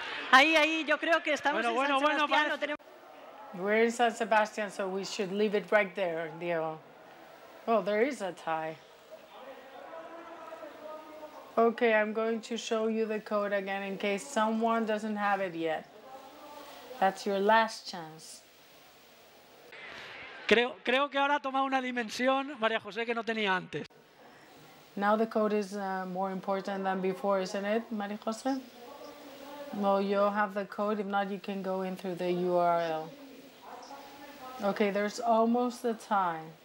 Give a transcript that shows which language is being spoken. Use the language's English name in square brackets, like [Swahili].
[Spanish] Ahí, ahí, yo creo que estamos en San Sebastián. [English] We're in San Sebastián, so we should leave it right there, Diego. Oh, there is a tie. Okay, I'm going to show you the code again in case someone doesn't have it yet. That's your last chance. [Spanish] Creo que ahora ha tomado una dimensión, María José, que no tenía antes. [English] Now the code is more important than before, isn't it, María José? Well, you'll have the code. If not, you can go in through the URL. Okay, there's almost the time.